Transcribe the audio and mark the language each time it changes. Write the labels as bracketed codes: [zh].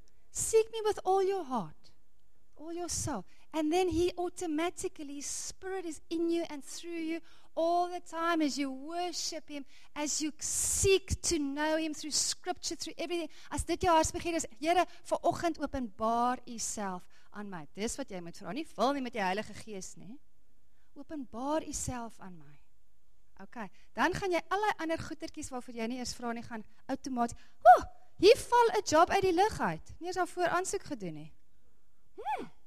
[en] Seek me with all your heart, all your soul, and then he automatically, spirit is in you and through you, all the time as you worship him, as you seek to know him through scripture, through everything, [af] as dit jou hart begeer is, Here, vir oggend openbaar jouself aan my. Dis wat jy moet vra, nie vul nie met die Heilige Gees nie. Openbaar jouself aan my. Okay, dan gaan jy al die ander goetertjies waarvoor jy nie eers vra nie, gaan outomaties, hier val 'n job uit die lug uit. Nie eens al voor aansoek gedoen nie.